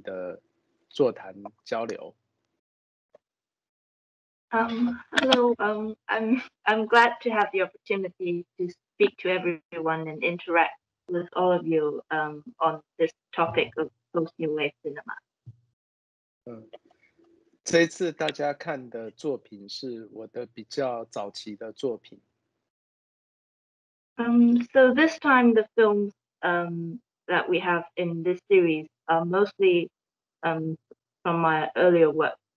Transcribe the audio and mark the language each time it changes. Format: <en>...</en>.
<zh>很高兴能有这个机会，跟大家做这个专题的座谈交流。</zh> <en>Hello, I'm glad to have the opportunity to speak to everyone and interact with all of you on this topic of post-new wave cinema.</en> <zh>这一次大家看的作品是我的比较早期的作品。</zh> <en>So this time, the films that we have in this series are mostly from my earlier work.</en>